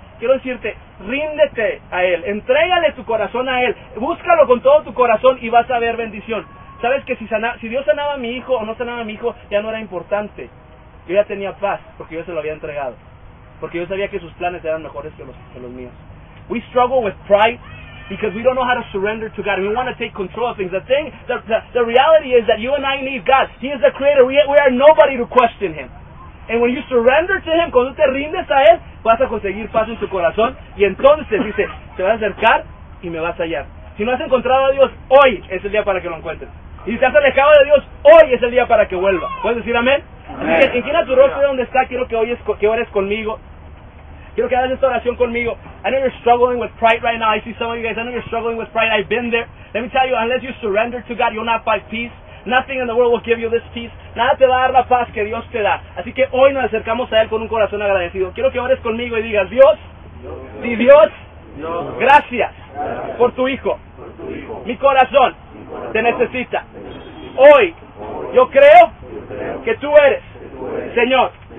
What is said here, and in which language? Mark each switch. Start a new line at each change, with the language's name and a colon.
Spanish: Quiero decirte, ríndete a Él, entrégale tu corazón a Él, búscalo con todo tu corazón y vas a ver bendición. Sabes que si Dios sanaba a mi hijo o no sanaba a mi hijo, ya no era importante. Yo ya tenía paz porque yo se lo había entregado. Porque yo sabía que sus planes eran mejores que los míos.
English: We struggle with pride because we don't know how to surrender to God. We want to take control of things. The reality is that you and I need God. He is the creator. We are nobody to question Him. And when you surrender to Him,
Spanish: cuando te rindes a Él, vas a conseguir paz en tu corazón. Y entonces, dice, te vas a acercar y me vas a hallar. Si no has encontrado a Dios, hoy es el día para que lo encuentres. Y si te has alejado de Dios, hoy es el día para que vuelva. ¿Puedes decir amén? Inclina tu rostro de donde está. Quiero que oyes, que ores conmigo. Quiero que hagas esta oración conmigo.
English: I know you're struggling with pride right now. I see some of you guys. I know you're struggling with pride. I've been there. Let me tell you, unless you surrender to God, you'll not find peace. Nothing in the world will give you this peace.
Spanish: Nada te va a dar la paz que Dios te da. Así que hoy nos acercamos a Él con un corazón agradecido. Quiero que ores conmigo y digas, Dios, di Dios, gracias por tu Hijo. Mi corazón te necesita. Hoy yo creo que tú eres Señor.